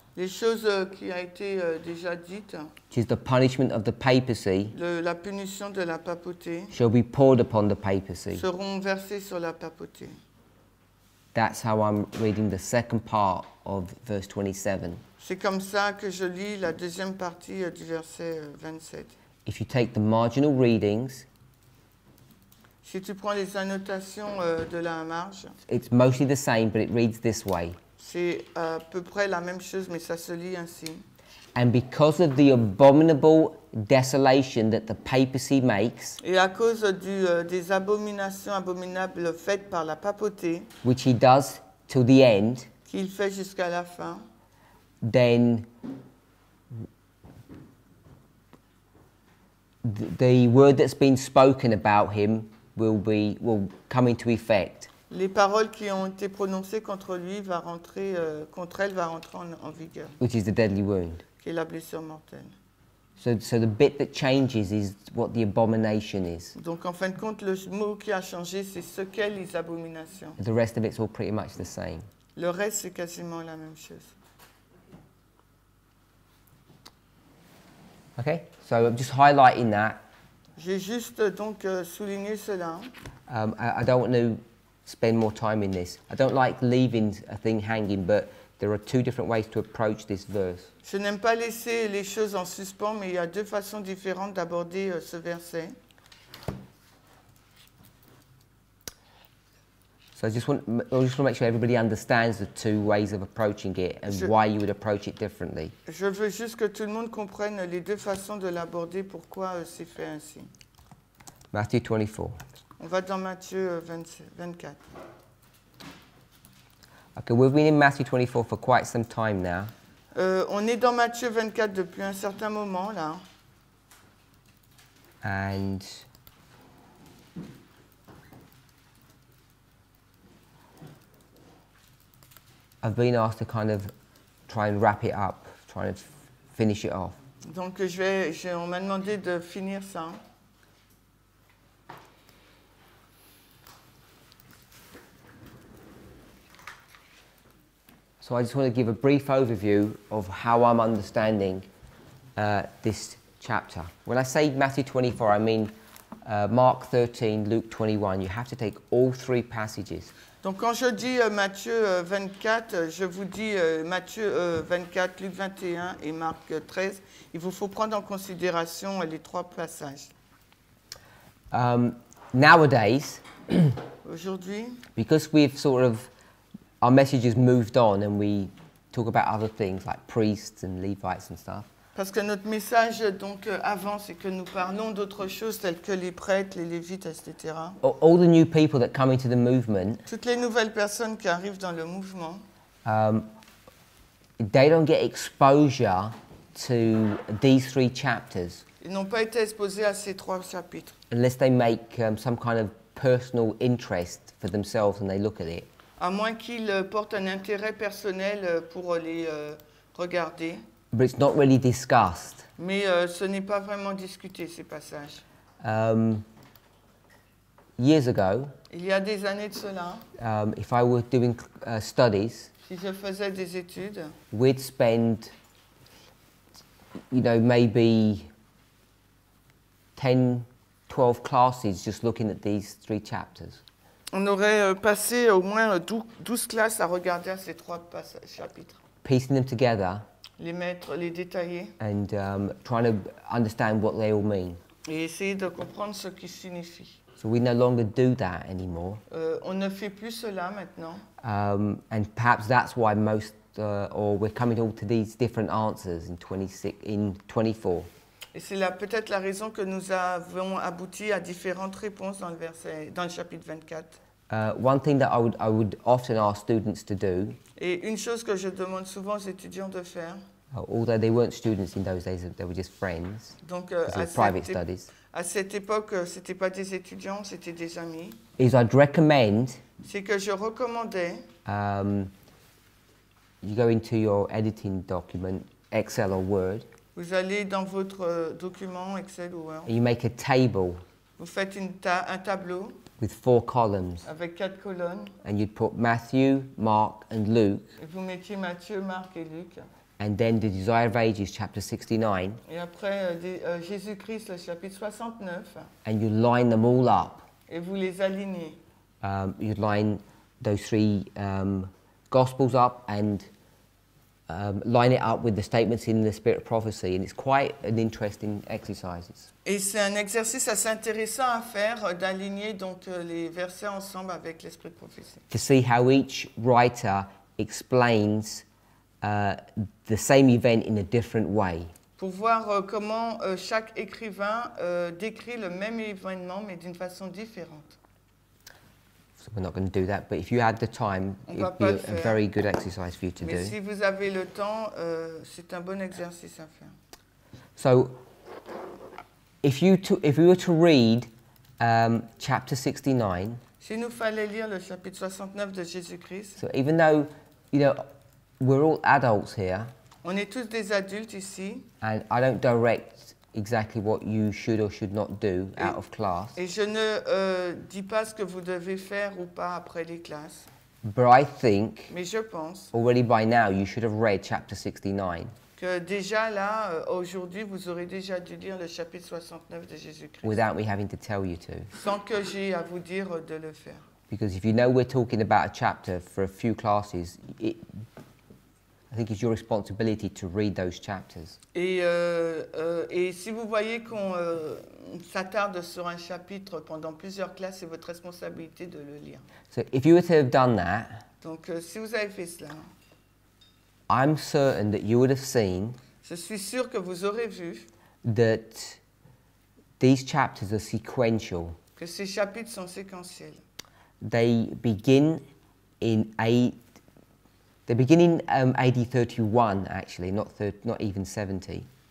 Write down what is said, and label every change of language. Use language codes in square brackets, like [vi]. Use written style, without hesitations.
[fr] Les choses qui a été déjà dites. [en] Which is the punishment of the papacy. [fr] La punition de la papauté. [en] Shall be poured upon the papacy. [fr] Seront versées sur la papauté. [en] That's how I'm reading the second part of verse 27. [fr] C'est comme ça que je lis la deuxième partie du verset 27. [en] If you take the marginal readings, [fr] si tu prends les annotations de la marge, [en] it's mostly the same, but it reads this way. [fr] C'est à peu près la même chose, mais ça se lit ainsi. [en] And because of the abominable desolation that the papacy makes, [fr] et à cause des abominations abominables faites par la papauté, [en] which he does till the end, [fr] qu'il fait jusqu'à la fin, [en] then the word that's been spoken about him will come into effect. [fr] Les paroles qui ont été prononcées contre lui va rentrer contre elle va rentrer en vigueur. [en] Which is the deadly wound. [fr] Qui est la blessure mortelle. [en] So the bit that changes is what the abomination is. [fr] Donc en fin de compte le mot qui a changé c'est ce qu'est les abominations. [en] The rest of it's all pretty much the same. [fr] Le reste c'est quasiment la même chose. [en] Okay, so I'm just highlighting that. [fr] J'ai juste donc souligné cela. [en] I don't want to spend more time in this. I don't like leaving a thing hanging, but There are two different ways to approach this verse. [fr] Je n'aime pas laisser les choses en suspens, mais il y a deux façons différentes d'aborder ce verset. [en] So I just want to make sure everybody understands the two ways of approaching it and why you would approach it differently. [fr] Je veux juste que tout le monde comprenne les deux façons de l'aborder, pourquoi c'est fait ainsi. [en] Matthew 24. [fr] On va dans Matthieu 24. [en] Okay, we've been in Matthew 24 for quite some time now. [fr] On est dans Matthieu 24 depuis un certain moment là. [en] And I've been asked to kind of try and wrap it up, try and finish it off. [fr] Donc on m'a demandé de finir ça. [en] So I just want to give a brief overview of how I'm understanding this chapter. When I say Matthew 24, I mean Mark 13, Luke 21. You have to take all three passages. [fr] Donc quand je dis Matthieu 24, je vous dis Matthieu 24, Luc 21 et Marc 13. Il vous faut prendre en considération les trois passages. [en] Nowadays, [fr] aujourd'hui, [en] because we've sort of our message has moved on and we talk about other things like priests and Levites and stuff. [fr] Parce que notre message donc avance et que nous parlons d'autres choses telles que les prêtres, les lévites, etc. [en] All the new people that come into the movement. [fr] Toutes les nouvelles personnes qui arrivent dans le mouvement. [en] They don't get exposure to these three chapters. [fr] Ils n'ont pas été exposés à ces trois chapitres. [en] Unless they make some kind of personal interest for themselves and they look at it. [fr] À moins qu'il porte un intérêt personnel pour les regarder. [en] But it's not really discussed. [fr] Mais ce n'est pas vraiment discuté, ces passages. [en] Years ago, [fr] il y a des années de cela, [en] if I were doing studies, [fr] si je faisais des études, [en] we'd spend, you know, maybe 10, 12 classes just looking at these three chapters. [fr] On aurait passé au moins 12 classes à regarder ces trois chapitres. [en] Piecing them together. [fr] Les mettre, les détailler. [en] And trying to understand what they all mean. [fr] Et essayer de comprendre ce qu'ils signifient. [en] So we no longer do that anymore. [fr] On ne fait plus cela maintenant. [en] And perhaps that's why most, or we're coming all to these different answers in 26, in 24. [fr] Et c'est peut-être la raison que nous avons abouti à différentes réponses dans le verset, dans le chapitre 24. [en] One thing that I would often ask students to do. [fr] Et une chose que je demande souvent aux étudiants de faire. [en] Although they weren't students in those days, they were just friends. [fr] Donc à cette époque, c'était pas des étudiants, c'était des amis. [en] Is I'd recommend. [fr] C'est que je recommandais. [en] You go into your editing document, Excel or Word. [fr] Vous allez dans votre document Excel ou Word. [en] You make a table. [fr] Vous faites un tableau. [en] With four columns. [fr] Avec quatre colonnes. [en] And you'd put Matthew, Mark, and Luke. [fr] Et vous mettiez Matthieu, Marc et Luc. [en] And then the Desire of Ages, chapter 69. [fr] Et après Jésus-Christ, le chapitre 69. [en] And you line them all up. [fr] Et vous les alignez. [en] You'd line those three gospels up and line it up with the statements in the spirit of prophecy, and it's quite an interesting exercise. [fr] Et c'est un exercice assez intéressant à faire d'aligner donc les versets ensemble avec l'esprit de prophétie. [en] To see how each writer explains the same event in a different way. [fr] Pour voir comment chaque écrivain décrit le même événement mais d'une façon différente. [en] So we're not going to do that, but if you had the time, it would be a very good exercise for you to do. [fr] Mais si vous avez le temps, c'est un bon exercice à faire. [en] So, if we were to read chapter 69, [fr] si nous fallait lire le chapitre 69 de Jésus-Christ, [en] so even though, you know, we're all adults here, [fr] on est tous des adultes ici, [en] and I don't direct exactly what you should or should not do out of class. [fr] Et je ne dis pas ce que vous devez faire ou pas après les classes. [en] But I think, [fr] mais je pense, [en] already by now you should have read chapter 69. [fr] Que déjà là, aujourd'hui, vous aurez déjà dû lire le chapitre 69 de Jésus-Christ. [en] Without me having to tell you to. [fr] Sans que j'ai à vous dire de le faire. [en] Because if you know we're talking about a chapter for a few classes, I think it's your responsibility to read those chapters. [fr] Et si vous voyez qu'on s'attarde sur un chapitre pendant plusieurs classes, c'est votre responsabilité de le lire. [en] So if you were to have done that, [fr] donc si vous avez fait cela, [en] I'm certain that you would have seen, [fr] je suis sûr que vous aurez vu, [en] that these chapters are sequential. [fr] Que ces chapitres sont séquentiels. [en] They begin in AD 31, actually, not even 70.